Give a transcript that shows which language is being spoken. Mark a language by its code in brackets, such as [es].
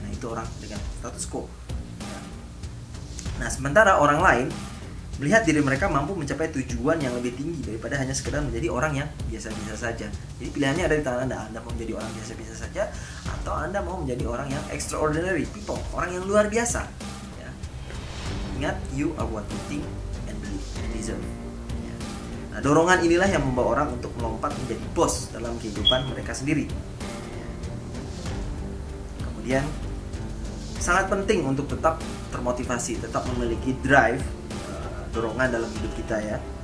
[id] Nah, itu orang dengan status quo. Nah, sementara orang lain melihat diri mereka mampu mencapai tujuan yang lebih tinggi daripada hanya sekedar menjadi orang yang biasa-biasa saja. Jadi pilihannya ada di tangan Anda. Anda mau menjadi orang biasa-biasa saja atau Anda mau menjadi orang yang [en] extraordinary people, [id] orang yang luar biasa. [en] Ingat, you are what you think and believe and deserve. [id] Nah, dorongan inilah yang membawa orang untuk melompat menjadi bos dalam kehidupan mereka sendiri. Kemudian, sangat penting untuk tetap termotivasi, tetap memiliki drive, dorongan dalam hidup kita ya.